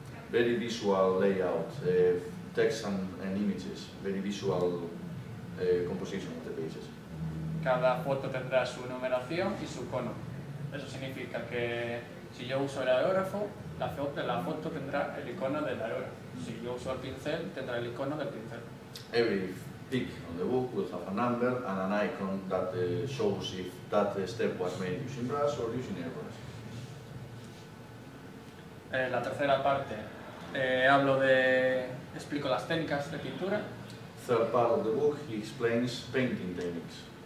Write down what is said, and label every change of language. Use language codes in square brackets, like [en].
[en] Very visual layout, text and images, very visual composition of the pages. [es] Cada foto tendrá su numeración y su cono. Eso significa que si yo uso el aerógrafo, la foto tendrá el icono del aerógrafo. Si yo uso el pincel, tendrá el icono del pincel. [en] Every pick on the book will have a number and an icon that shows if that step was made using brush or using airbrush. [es] La tercera parte, hablo de, explico las técnicas de pintura. [en] Third part of the book, he explains painting techniques.